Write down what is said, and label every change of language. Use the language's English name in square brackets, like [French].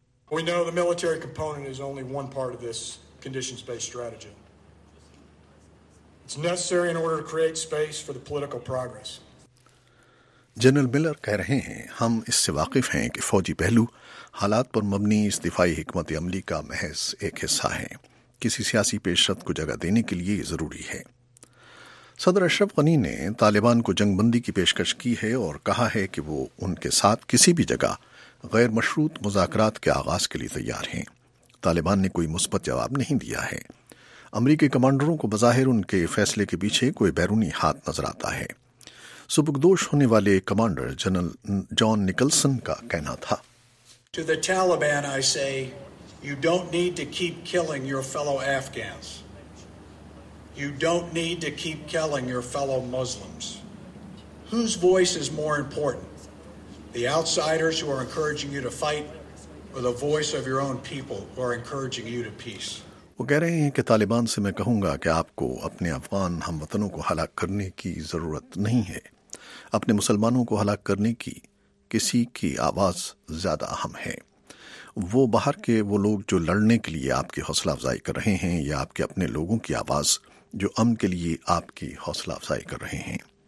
[English] We know the military component is only one part of this conditions-based strategy. It's necessary in order to create space for the political progress. [Urdu] General Miller کہہ رہے ہیں ہم اس سے واقف ہیں کہ فوجی پہلو حالات پر مبنی اس دفاعی حکمت عملی کا محض ایک حصہ ہے, کسی سیاسی پیش رفت کو جگہ دینے کے لیے یہ ضروری ہے. صدر اشرف غنی نے طالبان کو جنگ بندی کی پیشکش کی ہے اور کہا ہے کہ وہ ان کے ساتھ کسی بھی جگہ غیر مشروط مذاکرات کے آغاز کے لیے تیار ہیں. طالبان نے کوئی مثبت جواب نہیں دیا ہے. امریکی کمانڈروں کو بظاہر ان کے فیصلے کے پیچھے کوئی بیرونی ہاتھ نظر آتا ہے. سبکدوش ہونے والے کمانڈر جنرل جان نکلسن کا کہنا تھا, [English] To the Taliban, I say, you don't need to keep killing your fellow Afghans. You don't need to keep killing your fellow Muslims. Whose voice is more important? The outsiders who are encouraging you to fight or the voice of your own people who are encouraging you to peace? [Urdu] وہ کہہ رہے ہیں کہ طالبان سے میں کہوں گا کہ آپ کو اپنے افغان ہم وطنوں کو ہلاک کرنے کی ضرورت نہیں ہے, اپنے مسلمانوں کو ہلاک کرنے کی کسی کی آواز زیادہ اہم ہے. وہ باہر کے وہ لوگ جو لڑنے کے لیے آپ کی حوصلہ افزائی کر رہے ہیں یا آپ کے اپنے لوگوں کی آواز جو امن کے لیے آپ کی حوصلہ افزائی کر رہے ہیں.